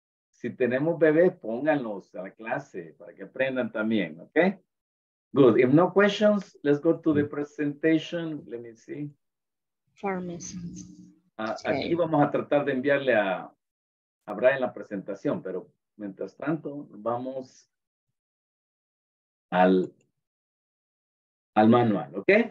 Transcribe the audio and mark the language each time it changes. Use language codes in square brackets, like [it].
[es] Si tenemos bebés, pónganlos a la clase para que aprendan también, okay? [en] Good. If no questions, let's go to the presentation. Let me see. Pharmacy. [es] Aquí vamos a tratar de enviarle a Brian la presentación, pero mientras tanto, vamos al manual, ¿ok?